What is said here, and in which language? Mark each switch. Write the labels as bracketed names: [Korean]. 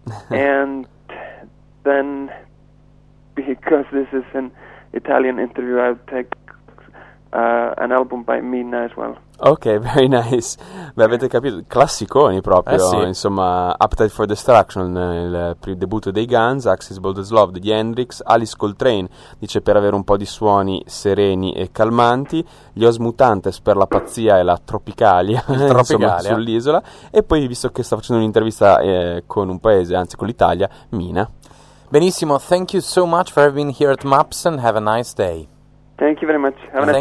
[English] And then, because this is an Italian interview, I would take an album by Mina as well. Ok, very nice. [Italian] Beh, avete capito, classiconi proprio, sì. Insomma, Appetite for Destruction, il debutto dei Guns, Axis Bold as Love di Hendrix, Alice Coltrane, dice, per avere un po' di suoni sereni e calmanti, gli Os Mutantes per la pazzia e la tropicalia, tropicalia. Insomma, sull'isola, e poi, visto che sta facendo un'intervista con un paese, anzi con l'Italia, Mina. [English] Benissimo, thank you so much for having been here at Maps, and have a nice day. Thank you very much, have a nice day.